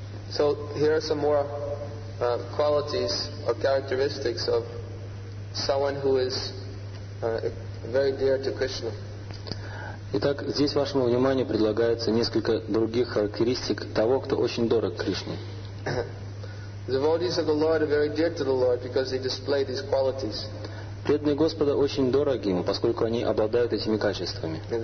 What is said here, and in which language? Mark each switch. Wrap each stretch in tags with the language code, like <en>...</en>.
<en>So here are some more qualities or characteristics of someone who is very dear to Krishna.</en> <ru>Итак, здесь вашему вниманию предлагается несколько других характеристик того, кто очень дорог Кришне.</ru> <en>The devotees of the Lord are very dear to the Lord because they display these qualities.</en> <ru>Преданные Господа очень дороги ему, поскольку они обладают этими качествами.</ru>